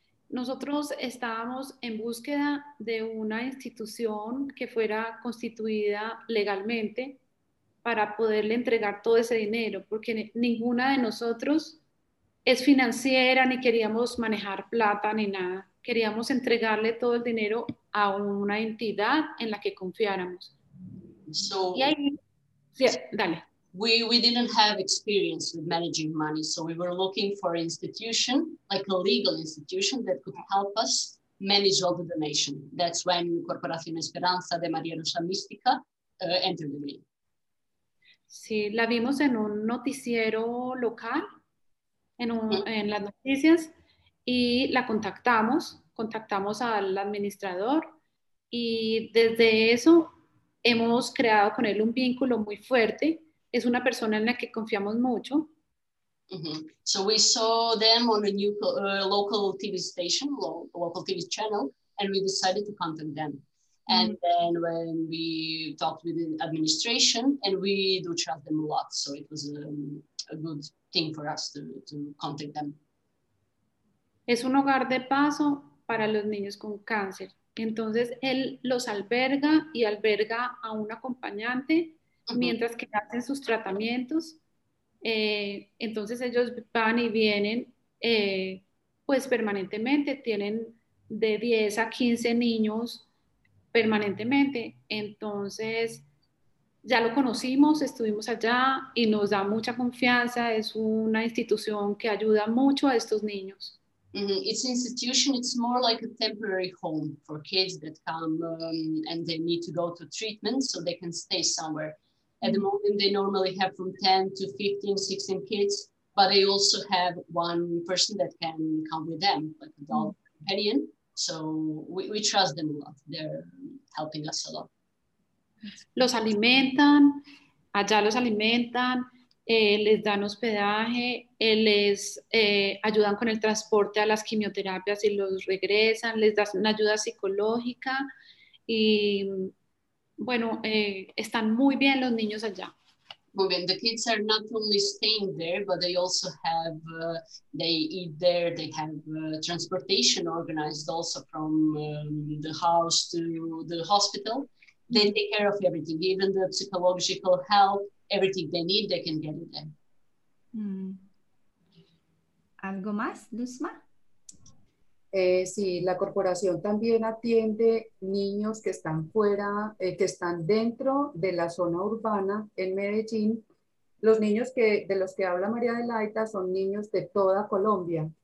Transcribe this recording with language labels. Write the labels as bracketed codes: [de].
[es] Nosotros estábamos en búsqueda de una institución que fuera constituida legalmente para poderle entregar todo ese dinero, porque ninguna de nosotros es financiera ni queríamos manejar plata ni nada. Queríamos entregarle todo el dinero a una entidad en la que confiáramos. [en] So, [es] y ahí, sí, dale. [en] We didn't have experience with managing money, so we were looking for an institution, like a legal institution, that could help us manage all the donation. That's when Corporación Esperanza de María Rosa Mística entered the game. [es] Sí, la vimos en un noticiero local, en las noticias, y la contactamos al administrador, y desde eso hemos creado con él un vínculo muy fuerte. Es una persona en la que confiamos mucho. [en] Mm-hmm. So we saw them on a new local TV station, local TV channel, and we decided to contact them. Mm-hmm. And then when we talked with the administration, and we do trust them a lot, so it was a good thing for us to contact them. [es] Es un hogar de paso para los niños con cáncer. Entonces, él los alberga y alberga a un acompañante. Uh-huh. Mientras que hacen sus tratamientos, entonces ellos van y vienen, pues permanentemente, tienen de 10 a 15 niños permanentemente, entonces ya lo conocimos, estuvimos allá y nos da mucha confianza, es una institución que ayuda mucho a estos niños. Mm-hmm. [en] It's an institution, it's more like a temporary home for kids that come and they need to go to treatment so they can stay somewhere. At the moment, they normally have from 10 to 15, 16 kids, but they also have one person that can come with them, like a dog companion. So we trust them a lot. They're helping us a lot. [es] Los alimentan, allá los alimentan, les dan hospedaje, les ayudan con el transporte a las quimioterapias y los regresan, les dan una ayuda psicológica y... Bueno, están muy bien los niños allá. Muy bien. [en] The kids are not only staying there, but they also have, they eat there, they have transportation organized also from the house to the hospital. They take care of everything, even the psychological help, everything they need, they can get it there. Mm. [es] ¿Algo más, Luzma? Sí, la corporación también atiende niños que están fuera, que están dentro de la zona urbana en Medellín. Los niños que, de los que habla María Adelaida son niños de toda Colombia.